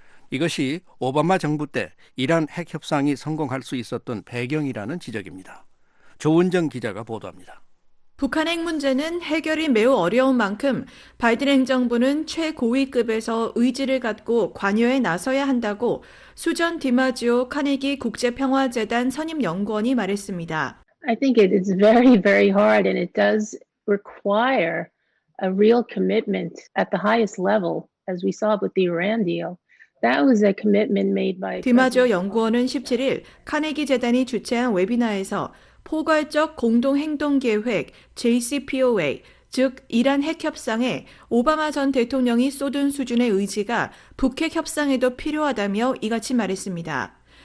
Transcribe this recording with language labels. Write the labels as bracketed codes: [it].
[ko] 이것이 오바마 정부 때 이란 핵협상이 성공할 수 있었던 배경이라는 지적입니다. 조은정 기자가 보도합니다. 북한 핵 문제는 해결이 매우 어려운 만큼 바이든 행정부는 최고위급에서 의지를 갖고 관여에 나서야 한다고 수전 디마지오 카네기 국제평화재단 선임연구원이 말했습니다. [en] I think it is very, very hard and it does require a real commitment at the highest level, as we saw with the Iran deal. That was a commitment made by. [ko] 디마지오 연구원은 17일 카네기 재단이 주최한 웨비나에서 포괄적 공동행동계획 JCPOA, 즉 이란 핵협상에 오바마 전 대통령이 쏟은 수준의 의지가 북핵협상에도 필요하다며 이같이 말했습니다.